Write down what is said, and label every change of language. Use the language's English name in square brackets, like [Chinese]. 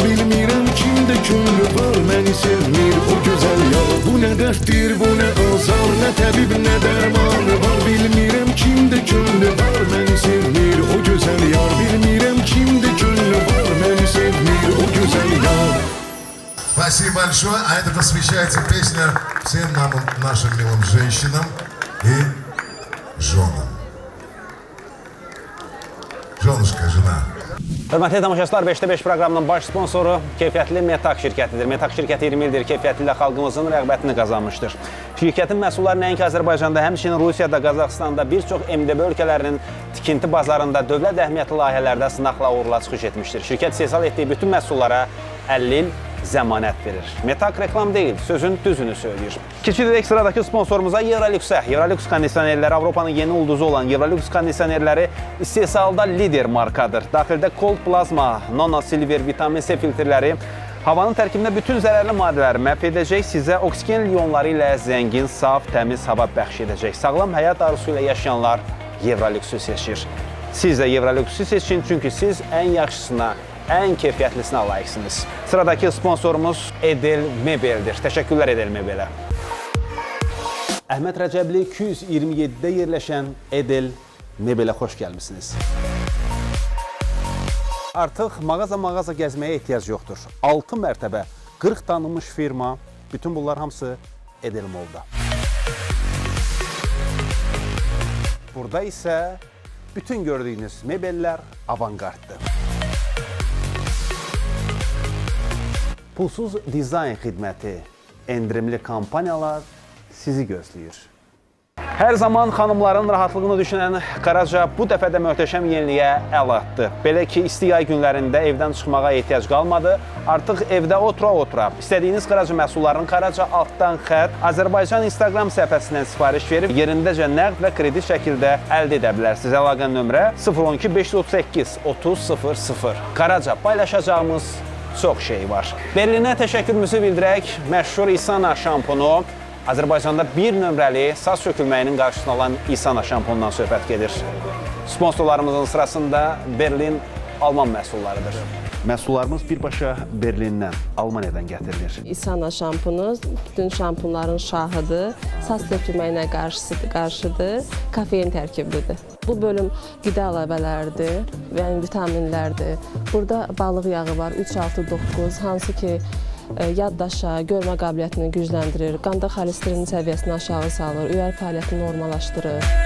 [Azerbaijani] Bilmirem kimde könlü var, beni sevmir o güzel yar. Bu ne derttir, bu ne azar, ne tebib, ne derman var. Bilmirem kimde könlü var, beni sevmir o güzel yar. Bilmirem kimde könlü var, beni sevmir o güzel yar. [Russian] Спасибо большое. А это посвящается песня всем нам, нашим милым женщинам и женам. Жонушка, жена. [Azerbaijani] Hörmətli tamaşaçılar, 5-də 5 proqramının baş sponsoru keyfiyyətli Metak şirkətidir. Metak şirkəti 20 ildir keyfiyyətli ilə xalqımızın rəğbətini qazanmışdır. Şirkətin məhsulları nəinki Azərbaycanda, həmçinin Rusiyada, Qazaxıstanda, bir çox MDB ölkələrinin tikinti bazarında dövlət əhəmiyyətli layihələrdə sınaqla uğurla çıxış etmişdir. Şirkət istehsal etdiyi bütün məhsullara 50 il zəmanət verir. Metak reklam deyil, sözün düzünü söyləyir. Keçirdik sıradakı sponsorumuza Euralux-ə. Euralux kondisionerləri Avropanın yeni ulduzu olan Euralux kondisionerləri istehsalda lider markadır. Daxildə Cold Plasma, Nono Silver, Vitamin C filtrləri havanın tərkibində bütün zərərli maddələri məhv edəcək, sizə oksigen iyonları ilə zəngin, saf, təmiz hava bəxş edəcək. Sağlam həyat arzusu ilə yaşayanlar Euralux-ü seçir. Siz də Euralux-ü seçin, çünki siz ən yaxşısına, ən keyfiyyətlisinə layiqsiniz. Sıradakı sponsorumuz Edel Mebeldir. Təşəkkürlər Edel Mebelə. Əhməd Rəcəbli 227-də yerləşən Edel Mebelə xoş gəlmisiniz. Artıq mağaza-mağaza gəzməyə ehtiyac yoxdur. 6 mərtəbə, 40 tanınmış firma, bütün bunlar hamısı Edel Mall'da. Burada isə bütün gördüyünüz mebellər avantqarddır. Pulsuz dizayn xidməti, endirimli kampaniyalar sizi gözləyir. Hər zaman xanımların rahatlığını düşünən Qaraca bu dəfə də möhtəşəm yeniliyə əl atdı. Belə ki, isti yay günlərində evdən çıxmağa ehtiyac qalmadı. Artıq evdə otura-otura istədiyiniz Qaraca məhsullarının Qaraca altdan xətt Azərbaycan Instagram səhifəsindən sifariş verib, yerindəcə nəqd və kredit şəkildə əldə edə bilərsiniz. Əlaqə nömrə 012-538-3000. Qaraca paylaşacağımız çox şey var. Berlinə təşəkkürümüzü bildirək. Məşhur İsana şampunu. Azərbaycanda bir nömrəli saç sökülməyinin qarşısını alan İsana şampundan söhbət gedir. Sponsorlarımızın sırasında Berlin Alman məhsullarıdır. Məhsullarımız birbaşa Berlindən, Almaniyadan gətirilir. İsana şampunu bütün şampunların şahıdır. Saç sökülməyinə qarşıdır. Kafein tərkiblidir. Bu bölüm qida əlavələridir və yəni vitaminlərdir. Burada balıq yağı var, 3-6-9, hansı ki yaddaşa, görmə qabiliyyətini gücləndirir, qanda xolesterin səviyyəsini aşağı salır, ürək fəaliyyətini normallaşdırır.